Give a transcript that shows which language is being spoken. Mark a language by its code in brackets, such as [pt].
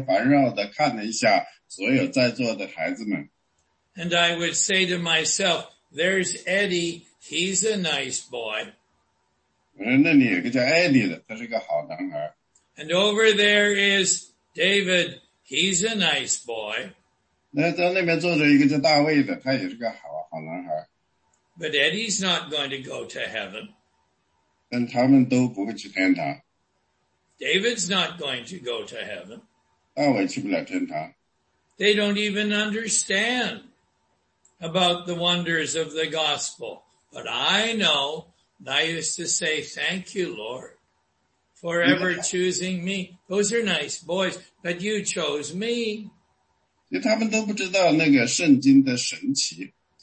[zh] 当我还是在学校的时候呢,我坐在教室里呢,我就环绕地看了一下所有在座的孩子们。 [en] And I would say to myself, there's Eddie, he's a nice boy. [zh] 我说那里有个叫Eddie的,他是个好男孩。 [en] And over there is David, he's a nice boy. [zh] 那在那边坐着一个叫大卫的,他也是个好男孩。 [en] But Eddie's not going to go to heaven. [zh] 但他们都不会去天堂。 [en] David's not going to go to heaven. [zh] 大卫去不了天堂。 [en] They don't even understand about the wonders of the gospel. But I know, I used to say, thank you, Lord, forever choosing me. Those are nice boys, but you chose me. [zh] 他们都不知道那个圣经的神奇。